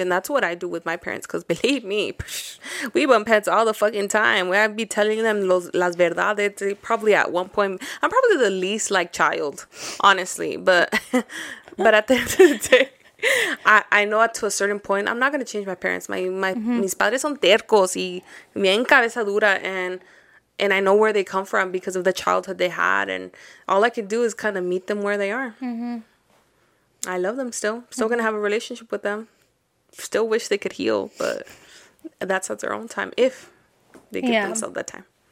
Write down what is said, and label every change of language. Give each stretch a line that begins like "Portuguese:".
English: And that's what I do with my parents. Because believe me, we bump heads all the fucking time. I'd be telling them
Spanish: las verdades.
English: Probably at one point, I'm probably the least, like, child, honestly. But at the end of the day, I know to a certain point, I'm not going to change my parents.
Spanish: Mis padres son tercos y bien cabeza dura.
English: And I know where they come from because of the childhood they had. And all I can do is kind of meet them where they are. Mm-hmm. I love them still. Still going to have a relationship with them. Still wish they could heal, but that's at their own time, if they give themselves that time.